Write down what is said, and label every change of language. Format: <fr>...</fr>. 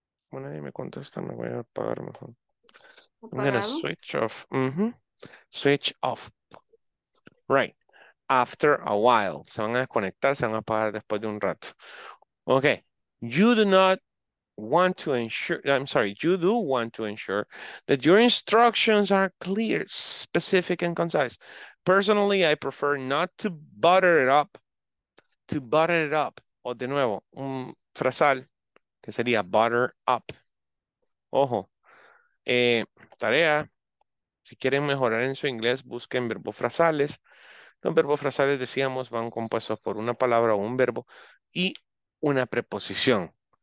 <es>Bueno, nadie me contesta, me voy a apagar mejor.</es> <en>I'm</en> <es>Apagado.</es> <en>gonna switch off. Switch off. Right. After a while.</en> <es>Se van a desconectar, se van a apagar después de un rato.</es> <en>Okay. You do not want to ensure, I'm sorry, you do want to ensure that your instructions are clear, specific, and concise. Personally, I prefer not to butter it up. To butter it up.</en> <es>O de nuevo, un frasal que sería butter up. Ojo. Tarea. Si quieren mejorar en su inglés, busquen verbos frasales. Los verbos frasales, decíamos, van compuestos por una palabra o un verbo y una preposición.</es>